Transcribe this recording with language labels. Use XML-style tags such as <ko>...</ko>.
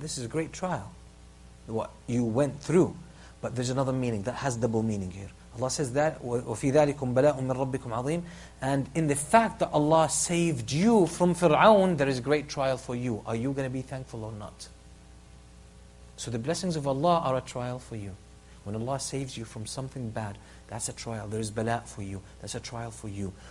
<en>This is a great trial, what you went through. But there's another meaning that has double meaning here. Allah says that,</en> <ar>وَفِي ذَلِكُمْ بَلَاءٌ مِّن رَبِّكُمْ عَظِيمٌ.</ar> <en>And in the fact that Allah saved you from Fir'aun, there is a great trial for you. Are you going to be thankful or not? So the blessings of Allah are a trial for you. When Allah saves you from something bad, that's a trial. There is bala' for you. That's a trial for you.</en>